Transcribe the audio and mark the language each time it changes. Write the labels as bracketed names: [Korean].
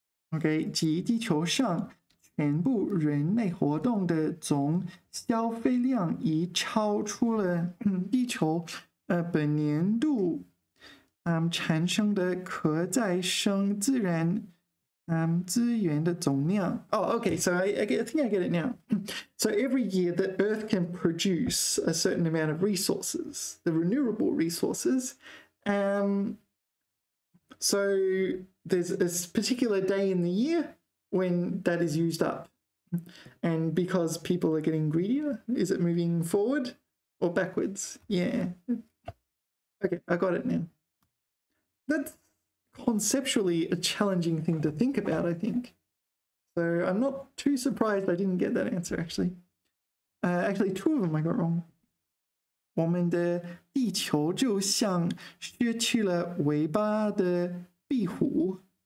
[Chinese] Okay, 即地球上, 全部人类活动的总消费量已超出了地球本年度产生的可再生自然资源的总量. [English] Oh, okay, so I think I get it now. So every year the Earth can produce a certain amount of resources, the renewable resources. So there's a particular day in the year when that is used up. And because people are getting greedier, is it moving forward or backwards? Yeah. Okay, I got it now. That's conceptually a challenging thing to think about, I think. So I'm not too surprised I didn't get that answer, actually. Actually, two of them I got wrong. [Chinese] 我们的地球就像失去了尾巴的壁虎.